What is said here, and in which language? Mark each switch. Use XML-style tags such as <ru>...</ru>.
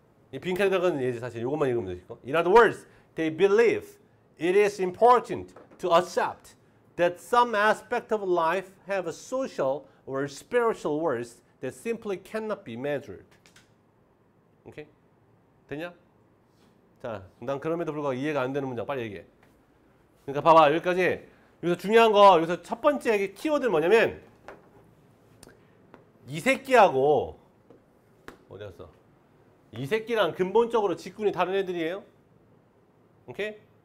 <ko>이 빈칸에 들어가는 예제 사실 이것만 읽으면 되실 거.</ko> <en>In other words, they believe it is important to accept that some aspect of life have a social or spiritual worth that simply cannot be measured.</en> <ko>오케이? 됐냐? 자, 난 그럼에도 불구하고 이해가 안 되는 문장 빨리 얘기해. 그러니까 봐봐, 여기까지 여기서 중요한 거, 여기서 첫 번째 키워드는 뭐냐면 이 새끼하고 어디였어? 이 새끼랑 근본적으로 직군이 다른 애들이에요. 오케이?</ko>